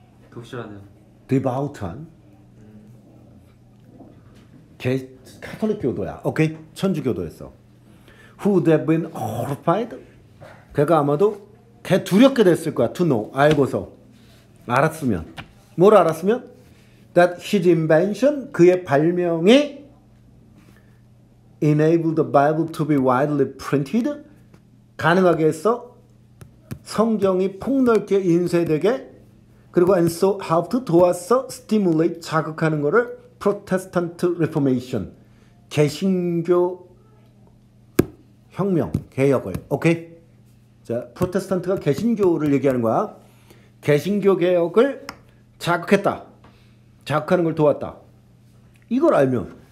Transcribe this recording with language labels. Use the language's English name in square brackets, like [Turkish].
[Korean] 독실하네요. 디바우트한 가톨릭 교도야. 오케이. 천주교도였어. [English] Who would have been horrified? [Korean] 걔가 아마도 걔 두렵게 됐을 거야. [English] To know. [Korean] 알고서. 알았으면. 뭘 알았으면? [English] That his invention, [Korean] 그의 발명이 [English] enabled the Bible to be widely printed. [Korean] 가능하게 했어. 성경이 폭넓게 인쇄되게. 그리고 [English] and so helped [Korean] 도왔어, [English] stimulate [Korean] 자극하는 거를 [English] Protestant Reformation, [Korean] 개신교 혁명, 개혁을. 오케이. 자, 프로테스탄트가 개신교를 얘기하는 거야. 개신교 개혁을 자극했다. 자극하는 걸 도왔다. 이걸 알면.